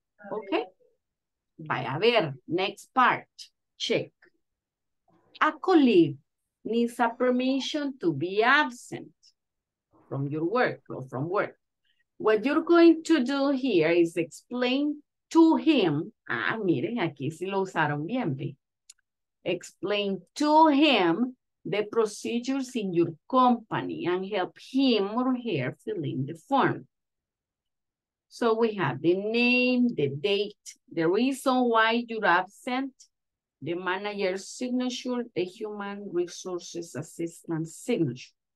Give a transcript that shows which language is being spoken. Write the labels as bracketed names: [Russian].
[English] Okay? Vaya, a ver, next part, check. A colleague needs a permission to be absent from your work or from work. What you're going to do here is explain to him. [Spanish] Ah, miren, aquí sí lo usaron bien, ¿ve? [English] Explain to him the procedures in your company and help him or her fill in the form. So we have the name, the date, the reason why you're absent, the manager's signature, the human resources assistant signature.